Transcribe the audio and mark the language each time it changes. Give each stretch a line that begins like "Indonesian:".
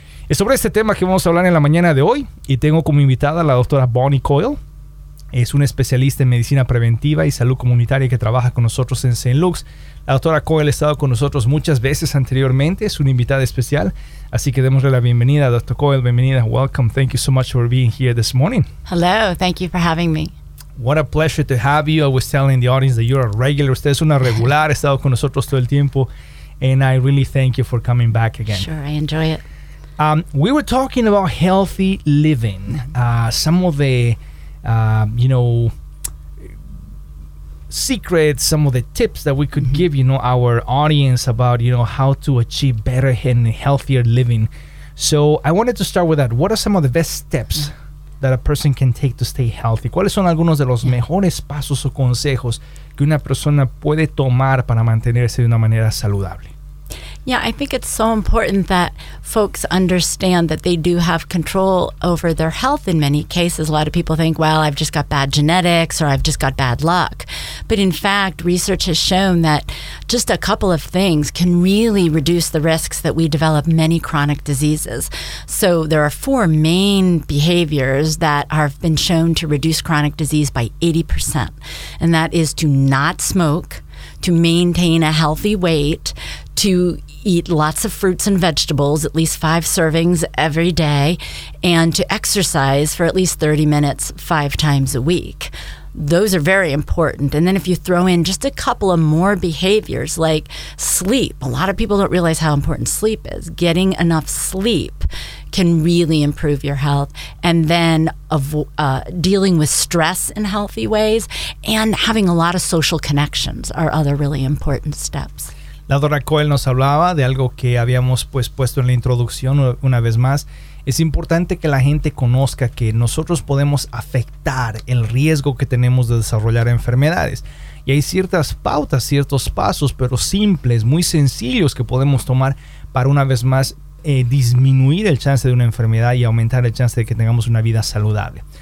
Spanish: Es sobre este tema que vamos a hablar en la mañana de hoy y tengo como invitada a la doctora Bonnie Coyle. Es una especialista en medicina preventiva y salud comunitaria que trabaja con nosotros en St. Luke's. La doctora Coyle ha estado con nosotros muchas veces anteriormente, es una invitada especial. Así que démosle la bienvenida, Dr. Coyle, bienvenida,
English: welcome. Thank you so much for being here this morning. Hello, thank you for having me. What a pleasure to have you. I was telling the audience that you're a regular,
Spanish: usted es una regular, ha estado con nosotros todo el tiempo.
English: And I really thank you for coming back again. Sure, I enjoy it. We were talking about healthy living, some of the, you know, secrets, some of the tips that we could give, you know, our audience about, you know, how to achieve better and healthier living. So I wanted to start with that. What are some of the best steps that a person can take to stay healthy?
Spanish: ¿Cuáles son algunos de los mejores pasos o consejos que una persona puede tomar para mantenerse de una manera saludable?
English: Yeah, I think it's so important that folks understand that they do have control over their health in many cases. A lot of people think, well, I've just got bad genetics or I've just got bad luck. But in fact, research has shown that just a couple of things can really reduce the risks that we develop many chronic diseases. So there are four main behaviors that have been shown to reduce chronic disease by 80%. And that is to not smoke, to maintain a healthy weight, to eat lots of fruits and vegetables, at least 5 servings every day, and to exercise for at least 30 minutes 5 times a week. Those are very important. And then if you throw in just a couple of more behaviors like sleep, a lot of people don't realize how important sleep is. Getting enough sleep can really improve your health. And then dealing with stress in healthy ways and having a lot of social connections are other really important steps.
Spanish: La doctora Coyle nos hablaba de algo que habíamos pues puesto en la introducción una vez más. Es importante que la gente conozca que nosotros podemos afectar el riesgo que tenemos de desarrollar enfermedades. Y hay ciertas pautas, ciertos pasos, pero simples, muy sencillos que podemos tomar para una vez más disminuir el chance de una enfermedad y aumentar el chance de que tengamos una vida saludable.